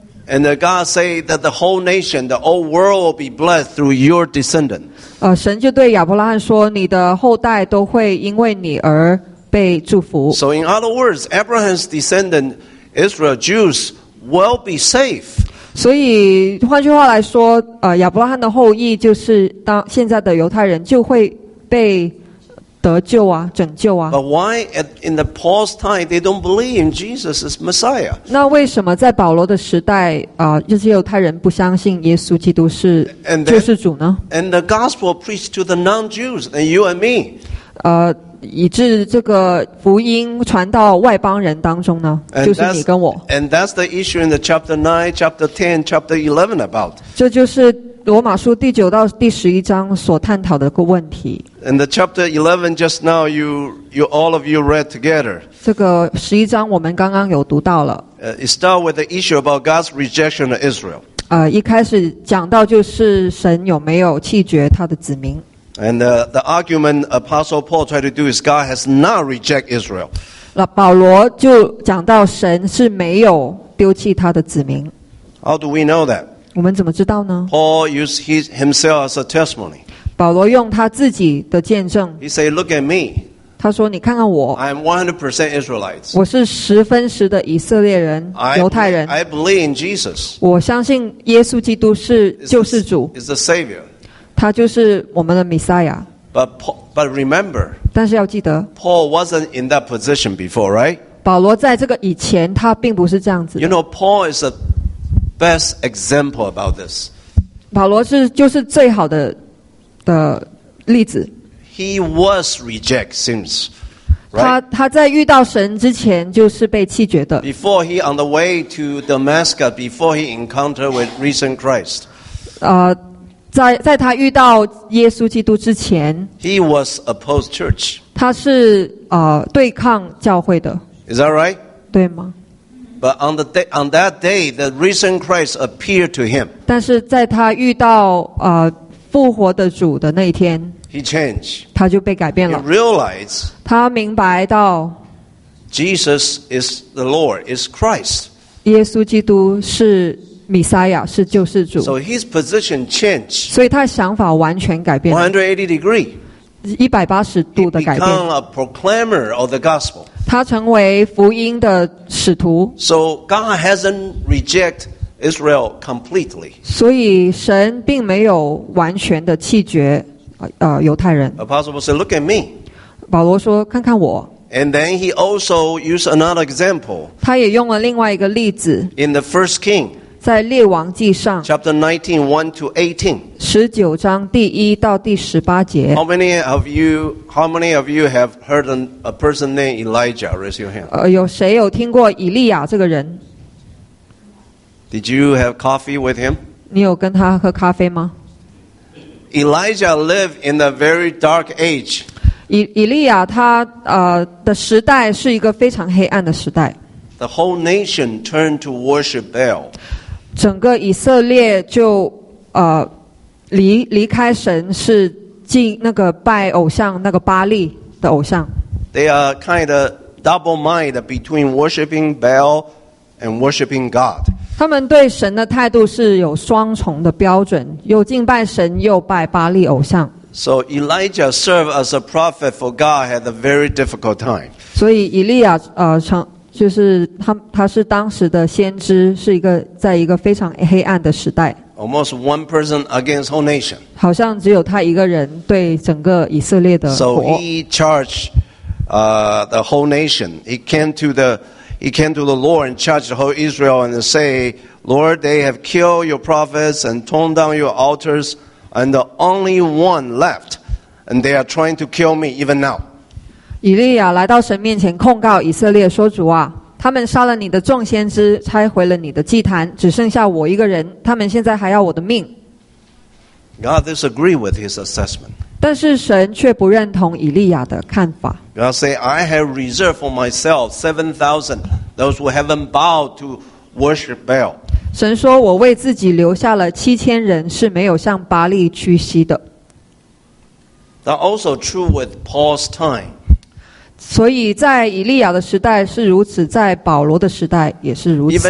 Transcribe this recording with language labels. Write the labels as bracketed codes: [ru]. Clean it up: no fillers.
[en] And God said that the whole nation, the whole world will be blessed through your descendant. [zh] 神就对亚伯拉罕说，你的后代都会因为你而被祝福。 [en] So in other words, Abraham's descendant, Israel, Jews, will be safe. [zh] 所以换句话来说，亚伯拉罕的后裔就是当现在的犹太人就会被得救啊，拯救啊。 [en] But why in the Paul's time they don't believe in Jesus as Messiah? [zh] 那为什么在保罗的时代这些犹太人不相信耶稣基督是救世主呢？ [en] And the gospel preached to the non-Jews and you and me. [zh] 以致这个福音传到外邦人当中呢，就是你跟我。 [en] And that's the issue in the chapter 9, chapter 10, chapter 11 about. [zh] 这就是罗马书第九到第十一章所探讨的一个问题。 [en] And the chapter 11 just now you all of you read together. [zh] 这个十一章我们刚刚有读到了。 [en] It starts with the issue about God's rejection of Israel. [zh] 一开始讲到就是神有没有弃绝他的子民。 [en] And the argument Apostle Paul tried to do is God has not rejected Israel. [zh] 保罗就讲到神是没有丢弃他的子民。 [en] How do we know that? [zh] 我们怎么知道呢 [en] ？Paul used himself as a testimony. [zh] 保罗用他自己的见证。 [en] He said, "Look at me." [zh] 他说：“你看看我。 [en] I'm 100% Israelites. [zh] 我是十分十的以色列人，犹太人。 [en] I believe in Jesus. [zh] 我相信耶稣基督是救世主。 [en] Is the Savior. [zh] 他就是我们的弥赛亚。 [en] But Paul, But remember, [zh] 但是要记得 [en] Paul wasn't in that position before, right? [zh] 保罗在这个以前他并不是这样子的。 [en] You know, Paul is the best example about this. [zh] 保罗是就是最好的的例子。 [en] He was rejected since, right? [zh] 他在遇到神之前就是被弃绝的。 [en] Before he on the way to Damascus, before he encountered with risen Christ. [zh] 在他遇到耶稣基督之前 [en] ，He was opposed church. [zh] 他是对抗教会的。 [en] Is that right? [zh] 对吗 [en] ？But on that day, the risen Christ appeared to him. [zh] 但是在他遇到复活的主的那一天 [en] ，He changed. [zh] 他就被改变了。 [en] He realized. [zh] 他明白到 [en] ，Jesus is the Lord, is Christ. [zh] 耶稣基督是。弥赛亚是救世主 [en] so his position changed. [zh] 所以他想法完全改变了 180 [en] degree [zh] 180度的改变 [en] He became a proclaimer of the gospel. [zh] 他成为福音的使徒 [en] So God hasn't rejected Israel completely. [zh] 所以神并没有完全的弃绝犹太人 [en] Apostle said, look at me. [zh] 保罗说看看我 [en] And then he also used another example. [zh] 他也用了另外一个例子 [en] In the first king. [zh] 在列王记上 [en] Chapter 19:1-18 [zh] 19章第一到第十八节 [en] How many of you have heard a person named Elijah? Raise your hand [zh] 有谁有听过以利亚这个人 [en] Did you have coffee with him? [zh] 你有跟他喝咖啡吗 [en] Elijah lived in a very dark age [zh] 以利亚他的时代是一个非常黑暗的时代 [en] The whole nation turned to worship Baal [zh] 整个以色列就离开神是进那个拜偶像那个巴利的偶像 [en] They are kind of double-minded between worshiping Baal and worshiping God [zh] 他们对神的态度是有双重的标准又敬拜神又拜巴利偶像 [en] So Elijah served as a prophet for God had a very difficult time [zh] 所以以利亚就是 他是当时的先知是一个在一个非常黑暗的时代 [en] Almost one person against whole nation [zh] 好像只有他一个人对整个以色列的 [en] 国 So he charged the whole nation He came to the Lord and charged the whole Israel and say Lord they have killed your prophets and torn down your altars and the only one left and they are trying to kill me even now [zh] 以利亚来到神面前控告以色列说主啊他们杀了你的众先知拆毁了你的祭坛只剩下我一个人他们现在还要我的命 [en] God disagreed with his assessment [zh] 但是神却不认同以利亚的看法 [en] God said I have reserved for myself 7,000 those who haven't bowed to worship Baal [zh] 神说我为自己留下了7,000人是没有向巴利屈膝的 [en] That also true with Paul's time [zh] 所以在以利亚的时代是如此在保罗的时代也是如此